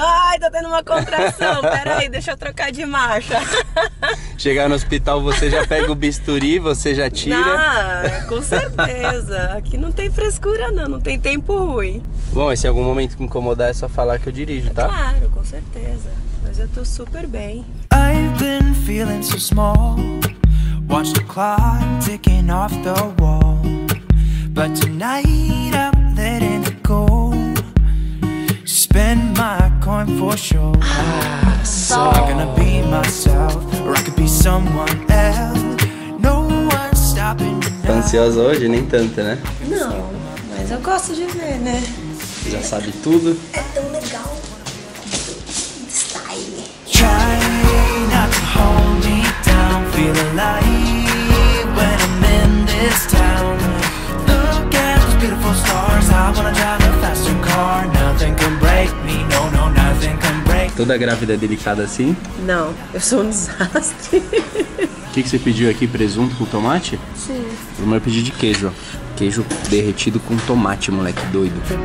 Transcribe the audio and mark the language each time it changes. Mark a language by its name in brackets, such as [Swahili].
[Portuguese] Ai, tá tendo uma contração. Pera aí, deixa eu trocar de marcha. Chegar no hospital, você já pega o bisturi, você já tira. Ah, com certeza. Aqui não tem frescura, não. Não tem tempo ruim. Bom, e se algum momento me incomodar, é só falar que eu dirijo, tá? Claro, com certeza. Mas eu tô super bem. [English] I've been feeling so small. Watch the clock ticking off the wall. But tonight I'm letting it go. Spend my coin for sure. So I'm gonna be myself, or I could be someone else. No one's stopping me. [Portuguese] Tô ansiosa hoje, nem tanto, né? Não, mas eu gosto de ver, né? Já sabe tudo. É tão legal. Style. [English] Try not to hold me down. Feel alive when I'm in this town. Look at those beautiful stars. I wanna drive a faster car. Nothing can break me. No, no, nothing can. [Portuguese] Toda grávida é delicada assim? Não, eu sou um desastre. O que, que você pediu aqui? Presunto com tomate? Sim. Primeiro eu pedi de queijo. Queijo derretido com tomate, moleque doido.